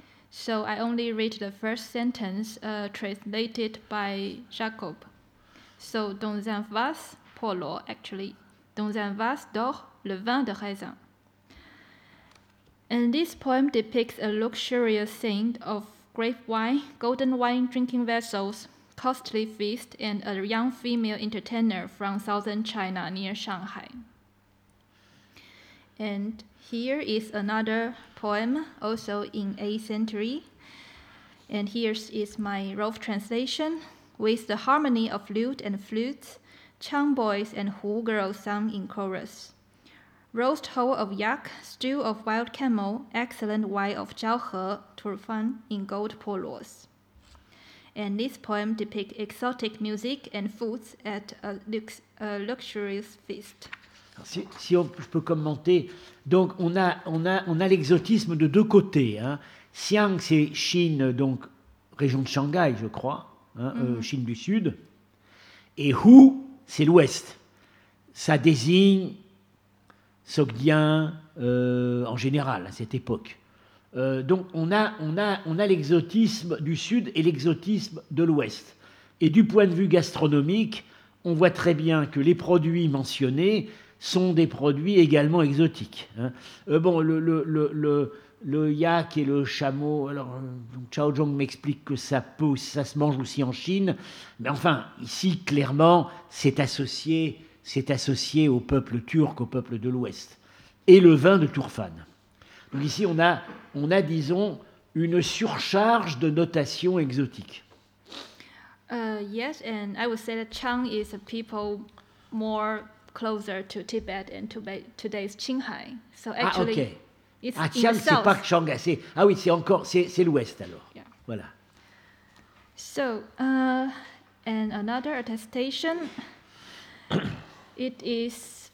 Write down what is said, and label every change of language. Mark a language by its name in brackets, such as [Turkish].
[English] So I only read the first sentence translated by Jacob. [French] So, dans un vase, Poluo, actually, dans un vase d'or, le vin de raisin. [English] And this poem depicts a luxurious scene of grape wine, golden wine drinking vessels, costly feast, and a young female entertainer from southern China near Shanghai. And here is another poem, also in 8th century. And here is my rough translation. With the harmony of lute and flute, Chang boys and Hu girls sung in chorus. Roast whole of yak, stew of wild camel, excellent wine of Jiaohe, Turfan in gold poluos. And this poem depicts exotic music and foods at a luxurious feast. [French] Si je peux commenter, donc on a l'exotisme de deux côtés. Hein. Xiang, c'est Chine, donc région de Shanghai, je crois, hein, Chine du Sud. Et Hu, c'est l'Ouest. Ça désigne Sogdien en général à cette époque. Donc on a l'exotisme du sud et l'exotisme de l'ouest. Et du point de vue gastronomique, on voit très bien que les produits mentionnés sont des produits également exotiques. Hein. Le yak et le chameau. Alors Chao Zhong m'explique que ça se mange aussi en Chine, mais enfin ici clairement c'est associé au peuple turc, au peuple de l'Ouest, et le vin de Turfan. Donc ici, on a, disons, une surcharge de notation exotique. [English] Yes, and I would say that Chang is a people more closer to Tibet and to today's Qinghai. So actually, [French] Chang, c'est pas Changa. C'est l'Ouest alors. Yeah. Voilà. [English] So, and another attestation. It is